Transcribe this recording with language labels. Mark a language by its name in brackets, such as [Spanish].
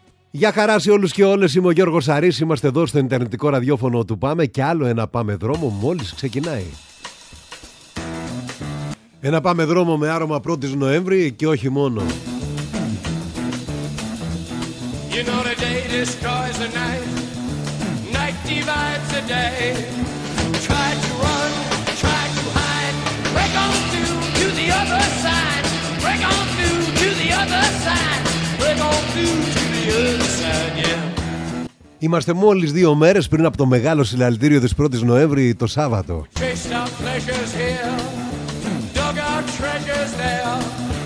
[Greek] Γεια χαρά σε όλους και όλες, είμαι ο Γιώργος Σαρής. Είμαστε εδώ στο ιντερνετικό ραδιόφωνο του Πάμε και άλλο ένα Πάμε δρόμο μόλις ξεκινάει. Ένα Πάμε δρόμο με άρωμα 1η Νοέμβρη και όχι μόνο. [English] You know the day destroys the night, night divides the day. Try to run, try to hide, break on through to the other side. Break on through to the other side, break on through to the other side, yeah. [Greek] Είμαστε μόλις δύο μέρες πριν από το μεγάλο συλλαλητήριο της 1ης Νοέμβρη, το Σάββατο. [English] Chased our pleasures here, dug our treasures there.